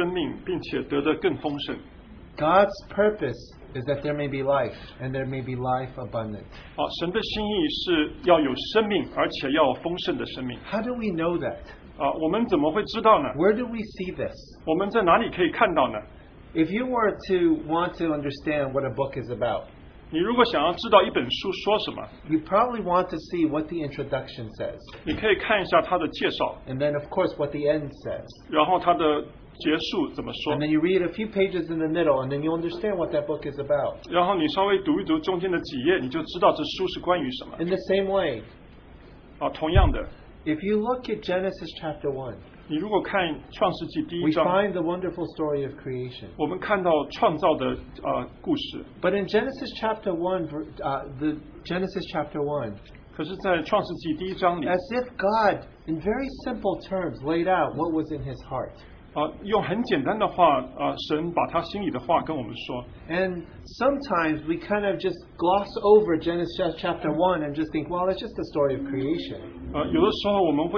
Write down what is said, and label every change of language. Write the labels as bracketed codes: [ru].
[zh] 主说，我来了是要叫羊得生命，并且得的更丰盛。 [en] God's purpose is that there may be life, and there may be life abundant. [zh] 神的心意是要有生命，而且要丰盛的生命。 [en] How do we know that? [zh] 我们怎么会知道呢? [en] Where do we see this? [zh] 我们在哪里可以看到呢? [en] If you were to want to understand what a book is about, [zh] 你如果想要知道一本书说什么, [en] you probably want to see what the introduction says. [zh] 你可以看一下它的介绍, [en] and then, of course, what the end says. [zh] 然后它的 [en] And then you read a few pages in the middle, and then you understand what that book is about. In the same way, [zh] 同样的, [en] if you look at Genesis chapter 1, [zh] 你如果看创世纪第一章, [en] we find the wonderful story of creation. [zh] 我们看到创造的, [en] but in Genesis chapter 1, as if God, in very simple terms, laid out what was in his heart. [zh] 用很简单的话，神把他心里的话跟我们说。 [en] And sometimes we kind of just gloss over Genesis chapter 1 and just think, well, it's just the story of creation.